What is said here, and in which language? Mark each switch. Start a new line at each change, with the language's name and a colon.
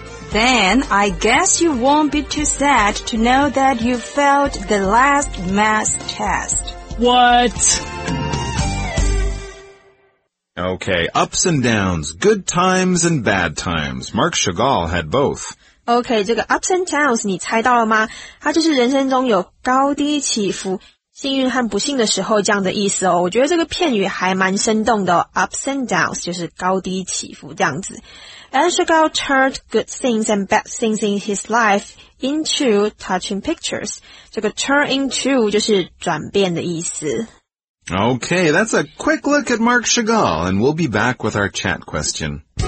English: Then, I guess you won't be too sad to know that you failed the last math test. What? Okay, ups and downs, good times and bad times. Marc Chagall had both.
Chinese: OK, 这个 ups and downs 你猜到了吗？它就是人生中有高低起伏，幸运和不幸的时候这样的意思哦。我觉得这个片语还蛮生动的哦。 ups and downs 就是高低起伏这样子。
English: And Chagall turned good things and bad things in his life into touching pictures.
Chinese: 这个 turn into 就是转变的意思。
English: OK, that's a quick look at Marc Chagall, and we'll be back with our chat question.